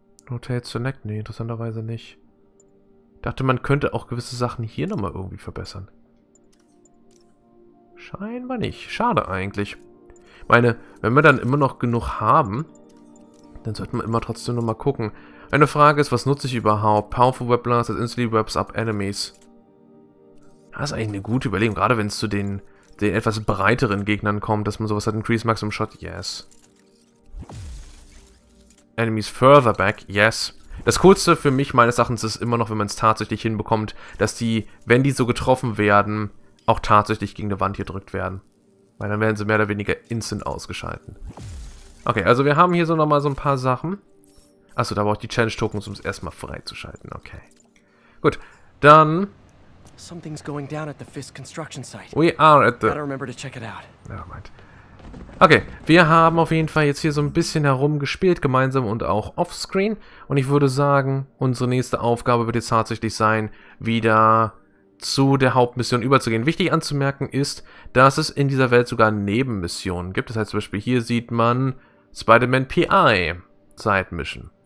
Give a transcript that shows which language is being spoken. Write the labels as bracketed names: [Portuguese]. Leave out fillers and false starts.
[German] Hotel Select? Nee, interessanterweise nicht. Dachte, man könnte auch gewisse Sachen hier nochmal irgendwie verbessern. Scheinbar nicht. Schade eigentlich. Ich meine, wenn wir dann immer noch genug haben, dann sollten wir immer trotzdem nochmal gucken. Eine Frage ist, was nutze ich überhaupt? [English] Powerful Web Blast, that instantly webs up enemies. [German] Das ist eigentlich eine gute Überlegung, gerade wenn es zu den etwas breiteren Gegnern kommt, dass man sowas hat, [English] increase maximum shot, yes. Enemies further back, yes. [German] Das Coolste für mich meines Erachtens ist immer noch, wenn man es tatsächlich hinbekommt, dass die, wenn die so getroffen werden, auch tatsächlich gegen die Wand hier gedrückt werden. Weil dann werden sie mehr oder weniger instant ausgeschalten. Okay, also wir haben hier so nochmal so ein paar Sachen. Achso, da brauche ich die Challenge-Tokens, um es erstmal freizuschalten, okay. Gut, dann... [English] Something's going down at the Fisk construction site. We are at the... Gotta remember to check it out. Never mind. [German] Okay, wir haben auf jeden Fall jetzt hier so ein bisschen herumgespielt, gemeinsam und auch offscreen. Und ich würde sagen, unsere nächste Aufgabe wird jetzt tatsächlich sein, wieder zu der Hauptmission überzugehen. Wichtig anzumerken ist, dass es in dieser Welt sogar Nebenmissionen gibt. Das heißt zum Beispiel, hier sieht man Spider-Man PI Side Mission.